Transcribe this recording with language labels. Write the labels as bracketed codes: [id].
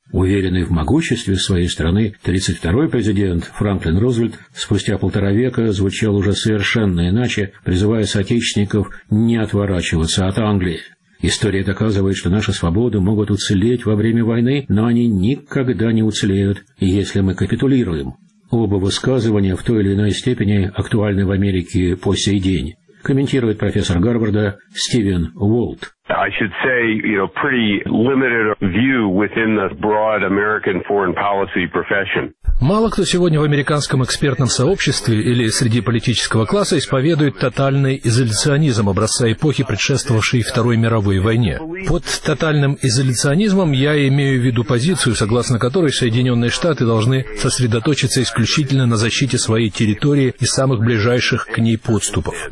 [ru] Уверенный в могуществе своей страны, 32-й президент Франклин Рузвельт спустя полтора века звучал уже совершенно иначе, призывая соотечественников не отворачиваться от Англии. История доказывает, что наши свободы могут уцелеть во время войны, но они никогда не уцелеют, если мы капитулируем. Оба высказывания в той или иной степени актуальны в Америке по сей день, комментирует профессор Гарварда Стивен Уолт. [en] I should say, you know, pretty limited view within the broad American foreign policy profession. [ru] Мало кто сегодня в американском экспертном сообществе или среди политического класса исповедует тотальный изоляционизм образца эпохи, предшествовавшей Второй мировой войне. Под тотальным изоляционизмом я имею в виду позицию, согласно которой Соединенные Штаты должны сосредоточиться исключительно на защите своей территории и самых ближайших к ней подступов.